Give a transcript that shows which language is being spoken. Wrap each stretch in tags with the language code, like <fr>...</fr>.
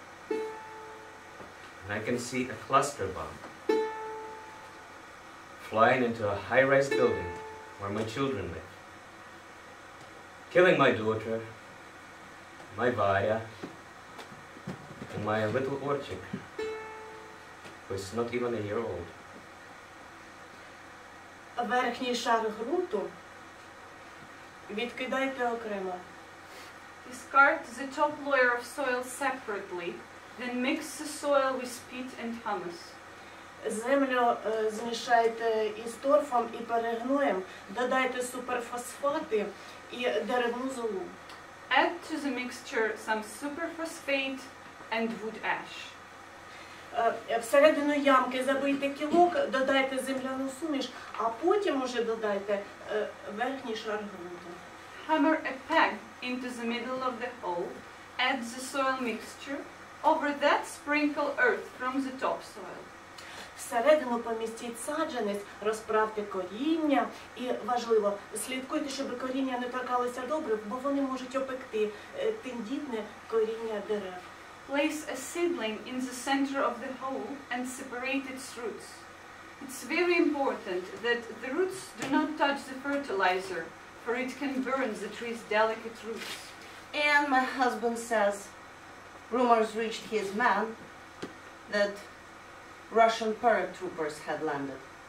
<en>And I can see a cluster bomb flying into a high-rise building where my children live. Killing my daughter, my Vaya, and my little orchid, who is not even a year old.</en> <uk>Верхній шар ґрунту відкидайте окремо.</uk> <en>Discard the top layer of soil separately, then mix the soil with peat and humus.</en> <uk>Землю змішайте із торфом і перегноєм, додайте суперфосфати і деревну золу.</uk> <en>Add to the mixture some superphosphate and wood ash.</en> <uk>Всередину ямки забийте кілок, додайте земляну суміш, а потім уже додайте верхній шар ґрунту.</uk> <en>Hammer a peg into the middle of the hole, add the soil mixture, over that sprinkle earth from the topsoil.</en> <uk>Всередину помістіть саджанець, розправте коріння і, важливо, слідкуйте, щоб коріння не торкалися добре, бо вони можуть опекти тендітне коріння дерев.</uk> <en>Place a seedling in the center of the hole and separate its roots. It's very important that the roots do not touch the fertilizer, for it can burn the tree's delicate roots. And my husband says, rumors reached his man that Russian paratroopers had landed.</en>